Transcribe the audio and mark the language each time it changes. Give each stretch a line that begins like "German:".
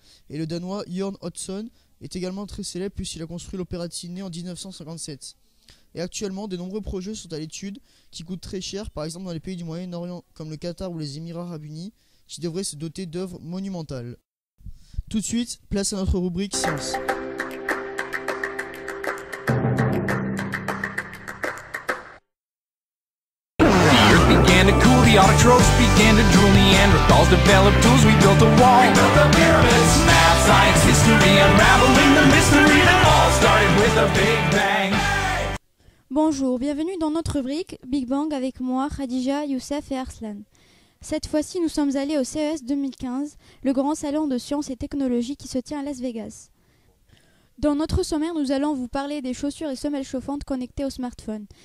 French: Et le Danois Jørn Hodson est également très célèbre puisqu'il a construit l'Opéra de Sydney en 1957. Et actuellement, de nombreux projets sont à l'étude qui coûtent très cher, par exemple dans les pays du Moyen-Orient comme le Qatar ou les Émirats Arabes Unis, qui devraient se doter d'œuvres monumentales. Tout de suite, place à notre rubrique science.
English: The autotrophs began to drool. Neanderthals developed tools. We built a wall. We built the pyramids. Math, science, history, unraveling the mystery that all started with a Big Bang.
French: Bonjour, bienvenue dans notre rubrique Big Bang avec moi, Khadija, Youssef et Arslan. Cette fois-ci, nous sommes allés au CES 2015, le grand salon de sciences et technologies qui se tient à Las Vegas. Dans notre sommaire, nous allons vous parler des chaussures et semelles chauffantes connectées au smartphone.